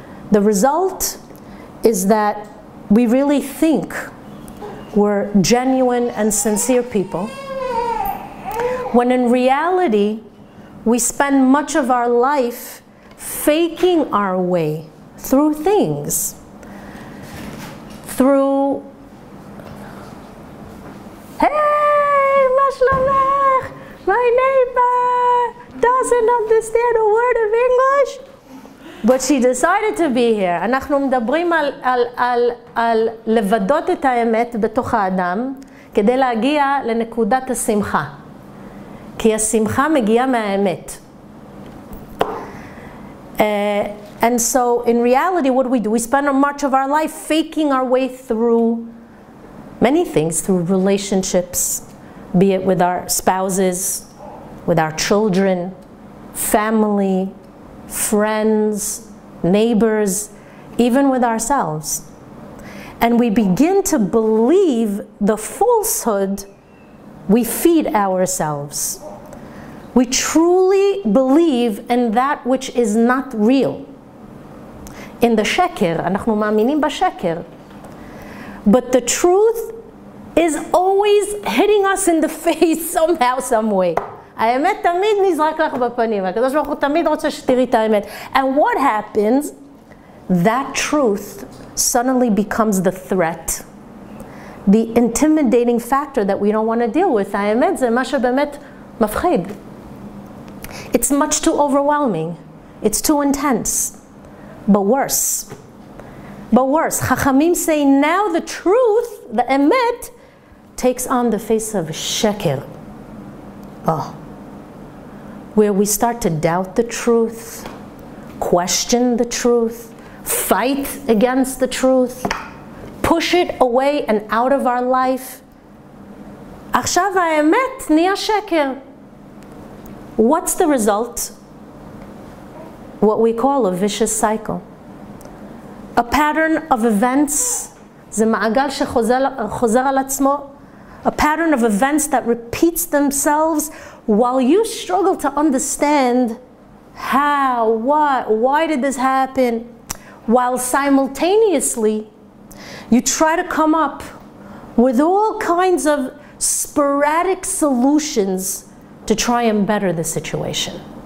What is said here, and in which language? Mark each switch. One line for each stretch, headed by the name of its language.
English: The result is that we really think we're genuine and sincere people, when in reality, we spend much of our life faking our way through things, through, hey, mashallah, my neighbor doesn't understand a word of English. But she decided to be here.
Hebrew: אנחנו מדברים על על על על לבדות את האמת בתוך האדם כדי להגיע לנקודת השמחה. כי השמחה מגיעה מהאמת.
English: And so in reality what do? We spend a much of our life faking our way through many things, through relationships, be it with our spouses, with our children, family, friends, neighbors, even with ourselves. And we begin to believe the falsehood we feed ourselves. We truly believe in that which is not real. In the sheker,
Hebrew: אנחנו מאמינים בשקר.
English: But the truth is always hitting us in the face somehow, some way.
Hebrew: האמת תמיד נזרק לך בפנים, הקדוש ברוך הוא תמיד רוצה שתראי את האמת.
English: And what happens? That truth suddenly becomes the threat, the intimidating factor that we don't want to deal with.
Hebrew: האמת זה מה שבאמת מפחיד.
English: It's much too overwhelming. It's too intense. But worse, Chachamim say now the truth, the emet, takes on the face of sheker. Oh. Where we start to doubt the truth, question the truth, fight against the truth, push it away and out of our life.
Hebrew: עכשיו האמת נהיה שקר.
English: What's the result? What we call a vicious cycle. A pattern of events,
Hebrew: זה מעגל שחוזר על עצמו.
English: A pattern of events that repeats themselves while you struggle to understand how, what, why did this happen, while simultaneously you try to come up with all kinds of sporadic solutions to try and better the situation.